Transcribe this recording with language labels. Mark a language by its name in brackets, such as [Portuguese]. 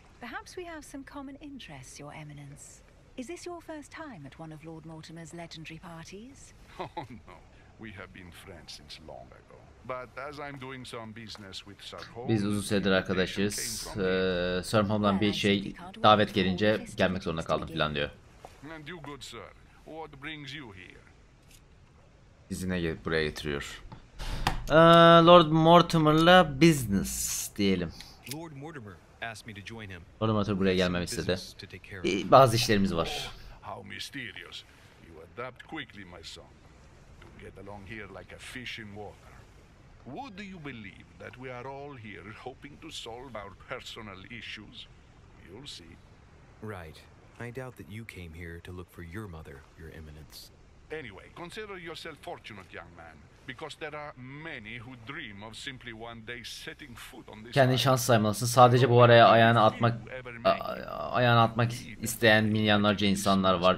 [English] Perhaps we have some common interests, Your Eminence. Is this your first time at one of Lord Mortimer's legendary parties? Oh no, we have been friends since long ago. But as I'm doing some business with Sir Holm, [Turkish] biz uzun süredir arkadaşız. Sir Holm'dan bir şey davet gelince gelmek zorunda kaldım falan diyor. [English] And you good sir, what brings you here? [Turkish] Bizi ne buraya getiriyor? Lord Mortimer'la business diyelim. [English] Lord Mortimer asked me to join him. [Turkish] Lord Mortimer buraya gelmemi istedi. Bazı işlerimiz var. [English] How mysterious. You adapt quickly, my son. You get along here like a fish in water. Would you believe that we are all here hoping to solve our personal issues? You'll see. Right. I doubt that you came here to look for your mother, Your Eminence. Anyway, consider yourself fortunate, young man, because there are many who dream of simply one day setting foot on this. [Turkish] Kendi şans saymalısın. Sadece bu araya ayağını atmak isteyen milyonlarca insanlar var.